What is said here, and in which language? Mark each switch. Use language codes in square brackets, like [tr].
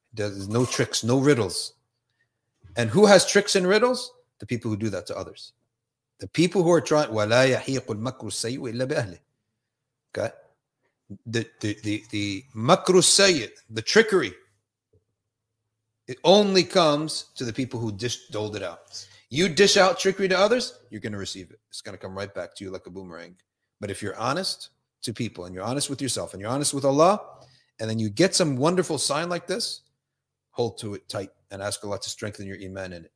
[en] There's no tricks, no riddles. And who has tricks and riddles? The people who do that to others. The people who are trying, [ar] وَلَا يَحِيقُ الْمَكْرُ السَّيِّ إِلَّا بِأَهْلِهِ. [en] Okay? The [ar] مَكْرُ السَّيِّ, [en] the trickery, it only comes to the people who doled it out. You dish out trickery to others, you're going to receive it. It's going to come right back to you like a boomerang. But if you're honest to people and you're honest with yourself and you're honest with Allah, and then you get some wonderful sign like this, hold to it tight and ask Allah to strengthen your iman in it.